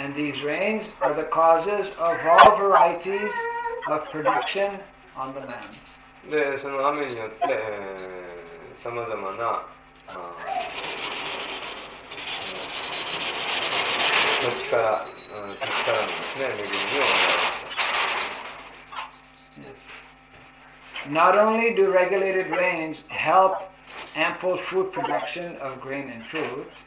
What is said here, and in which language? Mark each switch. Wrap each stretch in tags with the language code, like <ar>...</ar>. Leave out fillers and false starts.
<en>And these rains are the causes of all varieties of production on the land.</en> <ja>で、その雨によって、さまざまな、土地から、土地からのですね、恵みを。</ja> <en>Not only do regulated rains help ample food production of grain and fruit,</en>